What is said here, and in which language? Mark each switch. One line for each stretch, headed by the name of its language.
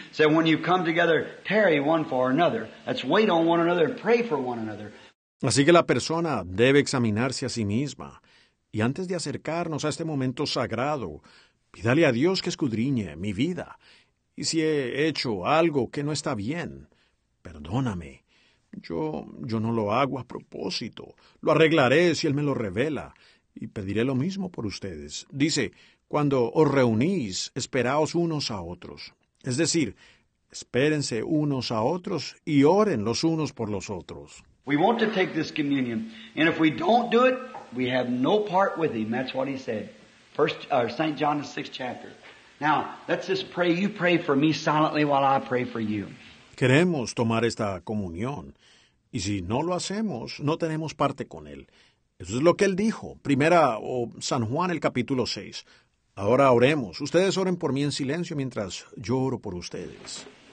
English: So when you come together, tarry one for another. Let's wait on one another and pray for one another.
Spanish: Así que la persona debe examinarse a sí misma. Y antes de acercarnos a este momento sagrado, pídale a Dios que escudriñe mi vida. Y si he hecho algo que no está bien, perdóname. Yo no lo hago a propósito. Lo arreglaré si Él me lo revela. Y pediré lo mismo por ustedes. Dice, cuando os reunís, esperaos unos a otros. Es decir, espérense unos a otros y oren los unos por los otros.
English: We want to take this communion. And if we don't do it, we have no part with Him. That's what He said. St. John, the 6th chapter. Now, let's just pray. You pray for me silently while I pray for you.
Spanish: Queremos tomar esta comunión, y si no lo hacemos, no tenemos parte con Él. Eso es lo que Él dijo, San Juan, el capítulo 6. Ahora oremos. Ustedes oren por mí en silencio mientras yo oro por ustedes.